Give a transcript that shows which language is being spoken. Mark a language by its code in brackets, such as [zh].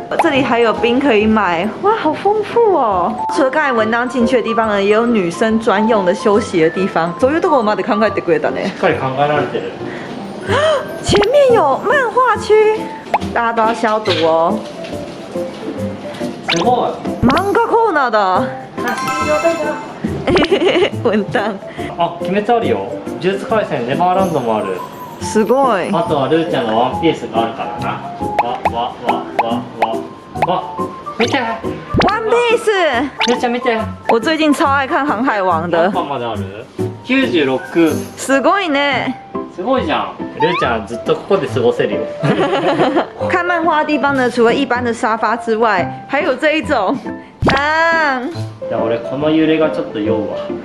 [zh] 这里还有冰可以买，哇，好丰富哦。除了刚才文当进去的地方呢，也有女生专用的休息的地方。左右都我妈的 [ja] 考えてくれたね。しっかり考えられてる。 [zh] 前面有漫画区，大家都要消毒哦。 [ja] すごい。漫画コーナーだ。文旦。あ、鬼滅あるよ。呪術廻戦、ネバーランドもある。すごい。あとはルーちゃんのワンピースがあるからな。わわわわわわ。見て。ワンピース。ルーちゃん見て。 [zh] 我最近超爱看航海王的。 [ja] 何巻まである？96。すごいね。すごいじゃん。ルーちゃんずっとここで過ごせるよ。 [zh] 看漫画的地方呢，除了一般的沙发之外，还有这一种。啊！ [ja] じゃあ俺この揺れがちょっと酔うわ。